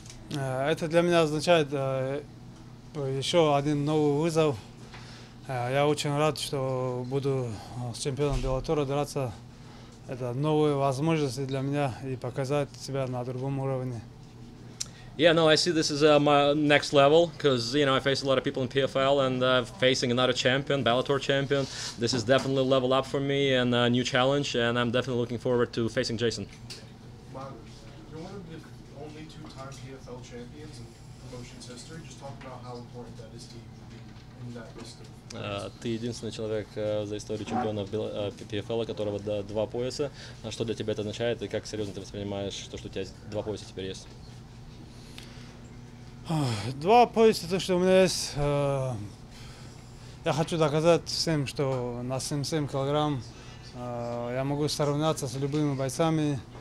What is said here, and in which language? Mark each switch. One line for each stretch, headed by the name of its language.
Russian: Это для меня означает еще один новый вызов. Я очень рад, что буду с чемпионом Беллатора драться. Это новые возможности для меня и показать себя на другом уровне.
English: Yeah, no, I see this as my next level because, you know, I face a lot of people in PFL and facing another champion, Bellator champion. This is definitely a level up for me and a new challenge, and I'm definitely looking forward to facing Jason. Mark, you're one of the only two-time PFL champions in promotions history. Just talk about how important that is to you in that history.
Russian: Ты единственный человек за историю чемпионов PFL, у которого два пояса. Что для тебя это означает и как серьезно ты воспринимаешь то, что у тебя два пояса теперь есть? Два пояса, то, что у меня есть. Я хочу доказать всем, что на 77 килограмм я могу сравняться с любыми бойцами.